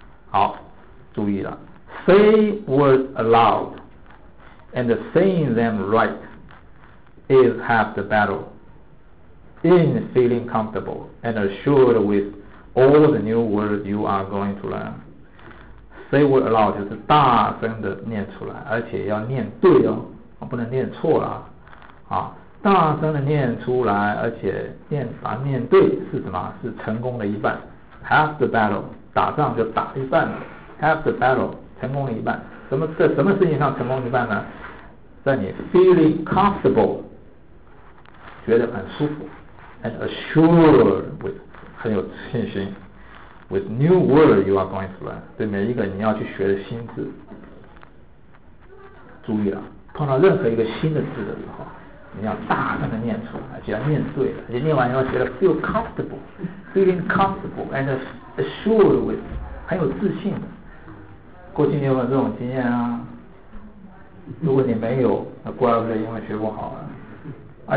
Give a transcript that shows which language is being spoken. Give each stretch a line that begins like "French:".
Chinese: 好，注意了
English: ，say words aloud and saying them right is half the battle. In feeling comfortable and assured with all the new words you are going to learn, say words aloud
Chinese: 就是大声的念出来，而且要念对哦。不能念错了啊！大声的念出来，而且念对是什么？是成功的一半。
English: Half the battle，
Chinese: 打仗就打一半了。
English: Half the battle，
Chinese: 成功了一半。在什么事情上成功一半呢？在你
English: feeling comfortable，
Chinese: 觉得很舒服 ，
English: and assured with
Chinese: 很有信心 ，
English: with new word you are going to learn，
Chinese: 对每一个你要去学的新字，注意了。碰到任何一个新的字的时候，你要大声的念出来，就要念对了，而且念完以后觉得
English: feeling comfortable and assured with，
Chinese: 很有自信的。过去你有没有这种经验啊？如果你没有，那怪不得英文学不好了啊！